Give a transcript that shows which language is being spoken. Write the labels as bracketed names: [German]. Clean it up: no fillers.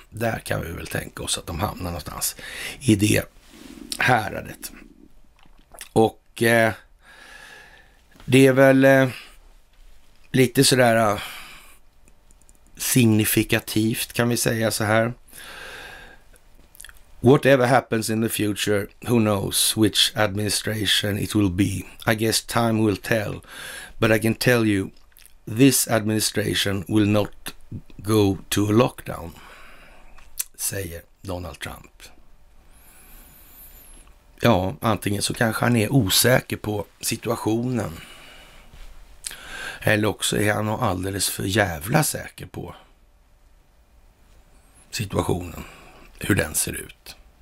[Swedish] Där kan vi väl tänka oss att de hamnar någonstans i det häradet. Och det är väl lite sådär signifikativt, kan vi säga så här. [English] Whatever happens in the future, who knows which administration it will be. I guess time will tell. But I can tell you, this administration will not go to a lockdown, [Swedish] säger [English] Donald Trump. [Swedish] Ja, antingen så kanske han är osäker på situationen. Eller också är han alldeles för jävla säker på situationen, hur den ser ut.